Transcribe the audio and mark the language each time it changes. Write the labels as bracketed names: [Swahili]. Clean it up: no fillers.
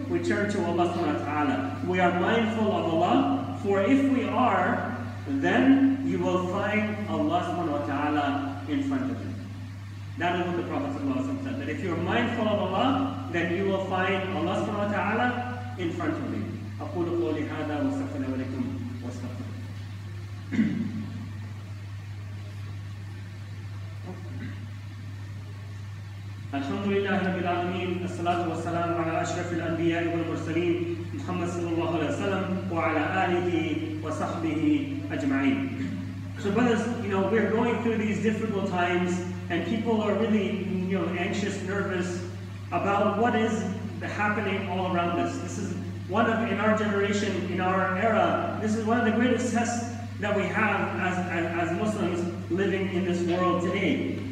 [English] We turn to Allah subhanahu wa ta'ala. We are mindful of Allah, for if we are, then you will find Allah subhanahu wa ta'ala in front of you. That is what the Prophet said, that if you are mindful of Allah, then you will find Allah subhanahu wa ta'ala in front of me. [Arabic] أقول قولي هذا واستغفر الله لكم واستغفر. الحمد لله رب العالمين الصلاة والسلام على أشرف الأنبياء والمرسلين محمد صلى الله عليه وسلم وعلى آله وصحبه أجمعين. [English] So brothers, you know, we're going through these difficult times and people are really, you know, anxious, nervous about what is happening all around us. This is one of, in our generation, in our era, this is one of the greatest tests that we have as Muslims living in this world today.